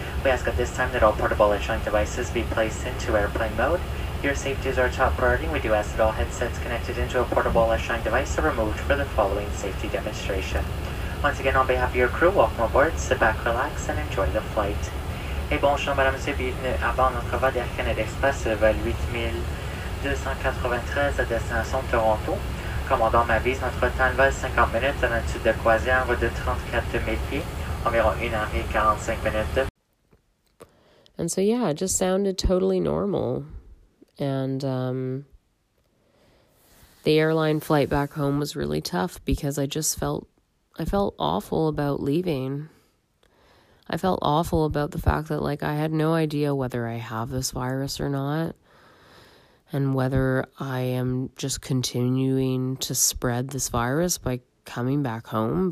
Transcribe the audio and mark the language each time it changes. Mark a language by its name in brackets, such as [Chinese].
[English] We ask at this time that all portable electronic devices be placed into airplane mode. Your safety is our top priority. We do ask that all headsets connected into a portable electronic device are removed for the following safety demonstration. Once again, on behalf of your crew, welcome aboard, sit back, relax, and enjoy the flight. [French] Et bonjour, madame, monsieur, bienvenue à bord de notre vol d'Air Canada Express vol 8293 à destination de Toronto. Commandant m'avise, notre temps de vol 50 minutes en altitude de croisière va de 34 000 pieds, environ 1 heure et 45 minutes de. [English] And so, yeah, it just sounded totally normal. And the airline flight back home was really tough, because I felt awful about leaving. I felt awful about the fact that, like, I had no idea whether I have this virus or not, and whether I am just continuing to spread this virus by coming back home.